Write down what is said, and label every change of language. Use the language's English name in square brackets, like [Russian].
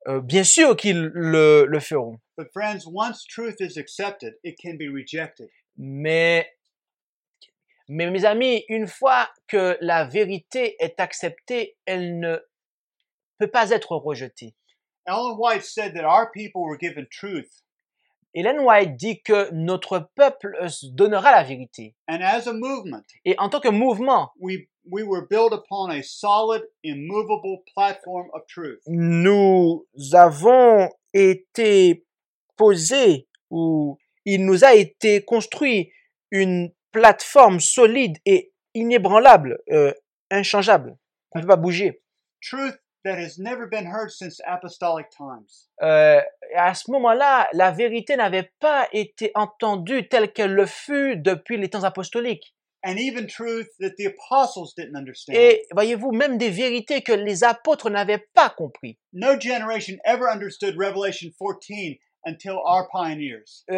[French] Bien sûr qu'ils le feront. [English] But friends, once truth is accepted, it can be rejected. [French] Mais mes amis, une fois que la vérité est acceptée, elle ne peut pas être rejetée. [English] Ellen White said that our people were given truth. [French] Ellen White dit que notre peuple donnera la vérité. [English] And as a movement, [French] et en tant que mouvement, [English] we were built upon a solid, immovable platform of truth. [French] Nous avons été posés, ou il nous a été construit une plateforme solide et inébranlable, inchangeable. On ne peut pas bouger. [English] Truth that has never been heard since apostolic times. [French] À ce moment-là, la vérité n'avait pas été entendue telle qu'elle le fut depuis les temps apostoliques. [English] And even truth that the apostles didn't understand. [French] Et voyez-vous, même des vérités que les apôtres n'avaient pas compris. [English] No generation ever understood Revelation 14 until our pioneers.